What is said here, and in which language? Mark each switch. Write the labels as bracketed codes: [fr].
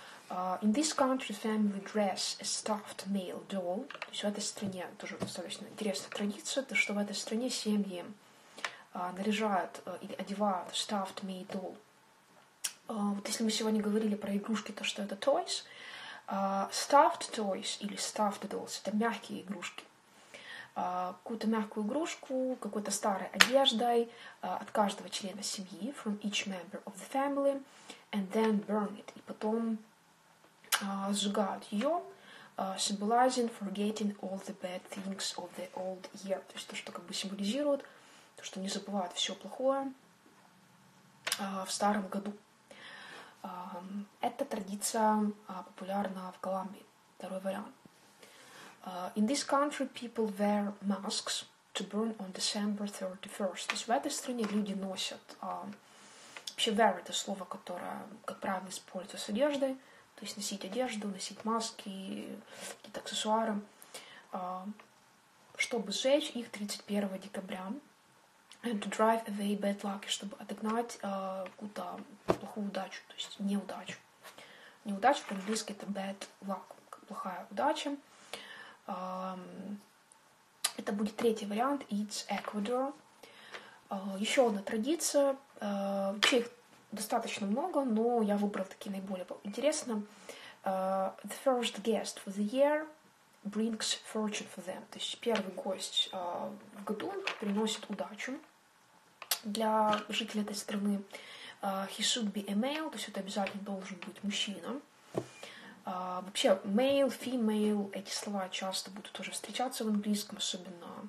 [en] In this country, family dress a stuffed male doll. [ru] То есть в этой стране тоже достаточно интересная традиция, то что в этой стране семьи наряжают или одевают [en] stuffed male doll. [ru] Вот если мы сегодня говорили про игрушки, то что это toys. [en] Stuffed toys [ru] или [en] stuffed dolls [ru] — это мягкие игрушки. Какую-то мягкую игрушку, какой-то старой одеждой от каждого члена семьи, [en] from each member of the family, and then burn it. [ru] И потом сжигают ее, [en] symbolizing forgetting all the bad things of the old year. [ru] То есть то, что как бы символизирует, то, что не забывают все плохое в старом году. Эта традиция популярна в Колумбии. Второй вариант. [en] In this country people wear masks to burn on December 31st. [ru] То есть в этой стране люди носят... вообще wear — это слово, которое, как правило, используется с одеждой. То есть носить одежду, носить маски, какие-то аксессуары, чтобы сжечь их 31 декабря. [en] And to drive away bad luck, [ru] чтобы отогнать какую-то плохую удачу, то есть неудачу. Неудача по-английски — это bad luck, плохая удача. Это будет третий вариант. [en] It's Ecuador. [ru] Еще одна традиция. Вообще их достаточно много, но я выбрала такие наиболее интересные. [en] The first guest for the year brings fortune for them. [ru] То есть первый гость в году приносит удачу для жителей этой страны. [en] He should be a male, [ru] то есть это обязательно должен быть мужчина. Вообще male, female, эти слова часто будут тоже встречаться в английском, особенно